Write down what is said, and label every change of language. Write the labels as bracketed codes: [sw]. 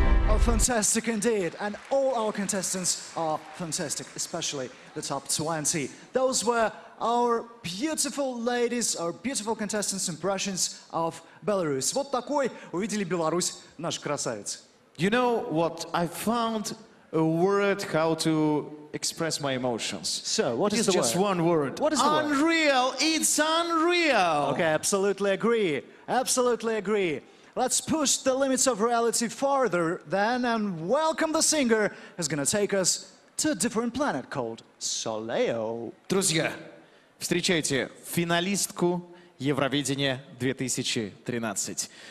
[en] Oh, fantastic indeed. And all our contestants are fantastic, especially the top 20. Those were our beautiful ladies, our beautiful contestants' impressions of Belarus. [ru] Вот такой увидели Беларусь наш красавец. [en] You know what? I found a word how to express my emotions. So, what is the word? It's just one word. What is the word? Unreal! It's unreal! Okay, absolutely agree. Absolutely agree. Let's push the limits of reality farther then and welcome the singer who's gonna take us to a different planet called Солео. [ru] Друзья! Встречайте финалистку Евровидения 2013.